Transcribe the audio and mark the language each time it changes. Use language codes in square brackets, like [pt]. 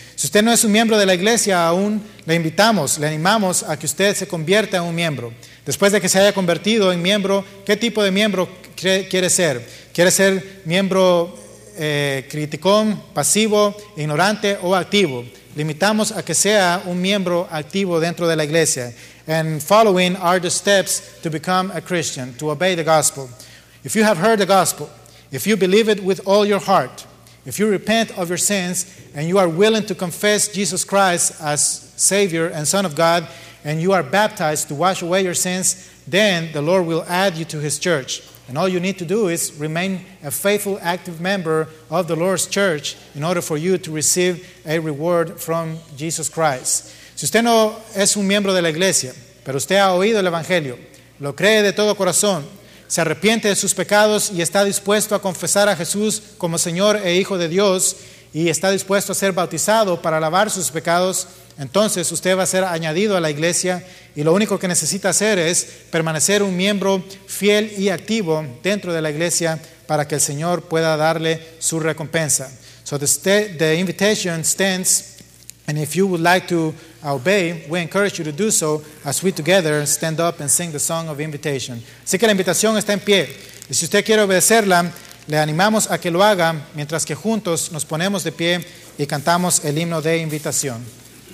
[es] Si usted no es un miembro de la iglesia aún, le invitamos, le animamos a que usted se convierta en un miembro. Después de que se haya convertido en miembro, ¿qué tipo de miembro quiere ser? ¿Quiere ser miembro criticón, pasivo, ignorante o activo? Limitamos a que sea un miembro activo dentro de la iglesia. [en] And following are the steps to become a Christian, to obey the gospel. If you have heard the gospel, if you believe it with all your heart, if you repent of your sins and you are willing to confess Jesus Christ as Savior and Son of God, and you are baptized to wash away your sins, then the Lord will add you to His church. And all you need to do is remain a faithful, active member of the Lord's church in order for you to receive a reward from Jesus Christ. [es] Si usted no es un miembro de la iglesia, pero usted ha oído el Evangelio, lo cree de todo corazón, se arrepiente de sus pecados y está dispuesto a confesar a Jesús como Señor e Hijo de Dios y está dispuesto a ser bautizado para lavar sus pecados, entonces usted va a ser añadido a la iglesia y lo único que necesita hacer es permanecer un miembro fiel y activo dentro de la iglesia para que el Señor pueda darle su recompensa. [en] So the invitation stands, and if you would like to obey, we encourage you to do so as we together stand up and sing the song of invitation. [es] Así que la invitación está en pie. Y si usted quiere obedecerla, le animamos a que lo haga mientras que juntos nos ponemos de pie y cantamos el himno de invitación.